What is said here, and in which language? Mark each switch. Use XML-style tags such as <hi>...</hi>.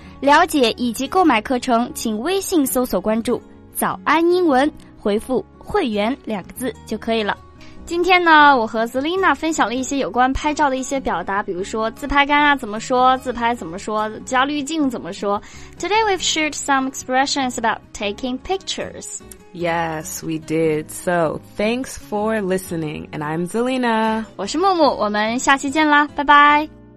<zh>了解以及购买课程，请微信搜索关注早安英文，回复会员两个字就可以了。今天呢，我和 Zelina 分享了一些有关拍照的一些表达，比如说自拍杆啊怎么说，自拍怎么说，加滤镜怎么说。</zh> <en>Today we've shared some expressions about taking pictures. Yes, we did. So, thanks for listening. And I'm Zelina.</en> <zh>我是木木，我们下期见啦，拜拜。</zh>